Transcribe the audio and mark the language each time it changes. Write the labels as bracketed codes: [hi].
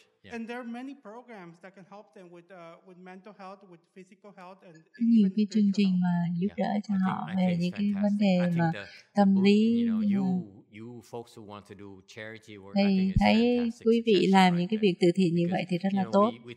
[en] And there are many programs that can help them with mental health, with physical health, and [vi] có nhiều cái chương trình mà giúp đỡ cho họ về những cái vấn đề mà tâm lý. [en] You folks who want to do charity work, [vi] thì thấy quý vị làm những cái việc từ thiện như vậy thì rất là tốt.